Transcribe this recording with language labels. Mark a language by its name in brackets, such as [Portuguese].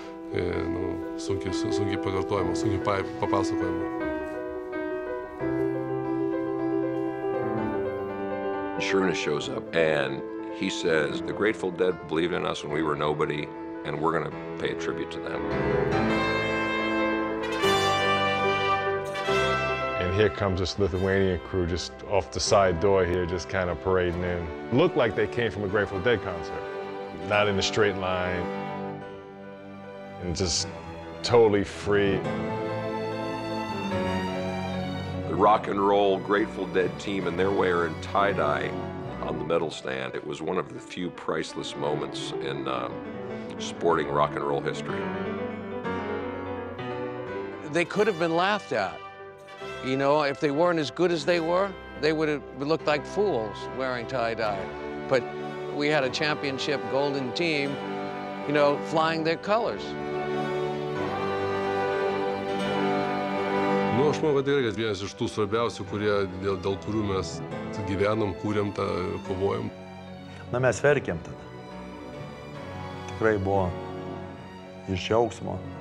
[Lithuanian] Sunkiai pakartojimo, sunkiai papasakojimo. [English] Šarūnas shows up and he says, the Grateful Dead believed in us when we were nobody and we're gonna pay a tribute to them. And here comes this Lithuanian crew just off the side door here, just kind of parading in. Looked like they came from a Grateful Dead concert. Not in a straight line. And just totally free. The rock and roll Grateful Dead team and they're wearing tie-dye on the medal stand. It was one of the few priceless moments in sporting rock and roll history. They could have been laughed at. You know, if they weren't as good as they were, they would have looked like fools wearing tie-dye. But we had a championship golden team, you know, flying their colors. [Lithuanian] Nu, aš manau, kad tai yra vienas iš tų svarbiausių, dėl kurių mes gyvenom, kūrėm tą, kovojom. Na, mes verkėm tada. Tikrai buvo iš džiaugsmo.